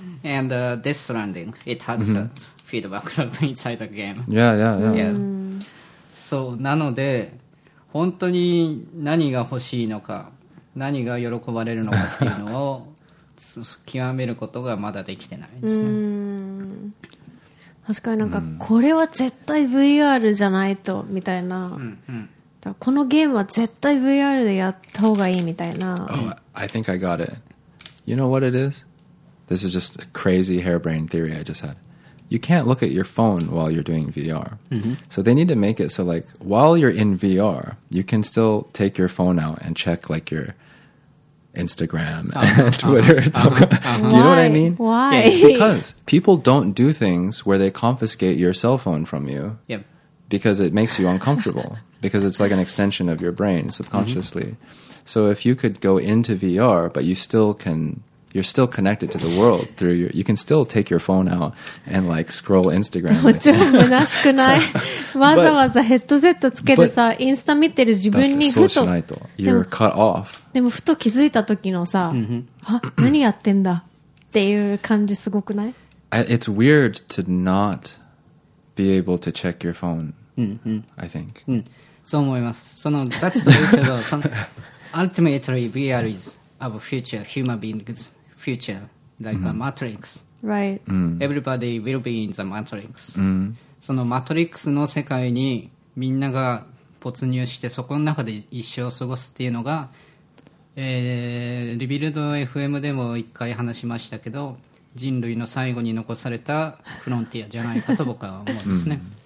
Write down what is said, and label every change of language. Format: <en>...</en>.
<en>And Death Stranding, it has that feedback loop inside the game. Yeah.</en> <ja>そうなので本当に何が欲しいのか何が喜ばれるのかっていうのを極めることがまだできてないですね。うん、確かになんかこれは絶対 VR じゃないとみたいな、うんうん、だからこのゲームは絶対 VR でやった方がいいみたいな。</ja> <en>Oh, I think I got it. You know what it is? This is just a crazy harebrained theory I just had. You can't look at your phone while you're doing VR. So they need to make it so like while you're in VR, you can still take your phone out and check like your Instagram and Twitter. Do you know what I mean? Why? Because people don't do things where they confiscate your cell phone from you because it makes you uncomfortable because it's like an extension of your brain subconsciously. So if you could go into VR, but you still canYou're still connected to the world through your... You can still take your phone out and like scroll Instagram.</en> <ja>もちろん虚しくない。わざわざヘッドセットつけてさ、インスタ見てる自分にふと。そうしないと。</ja> <en>You're cut off.</en> <ja>でもふと気づいた時のさ、あ、何やってんだっていう感じすごくない？</ja> <en>It's weird to not be able to check your phone, I think.</en> <ja>そう思います。</ja> <en>その、that's the way to go. Ultimately, VR is... Our future, human beings' future, like a matrix. Right. Everybody will be in the matrix.</en> <ja>そのマトリックスの世界にみんなが没入してそこの中で一生を過ごすっていうのが、リビルド FM でも一回話しましたけど、人類の最後に残されたフロンティアじゃないかと僕は思うんですね。</ja>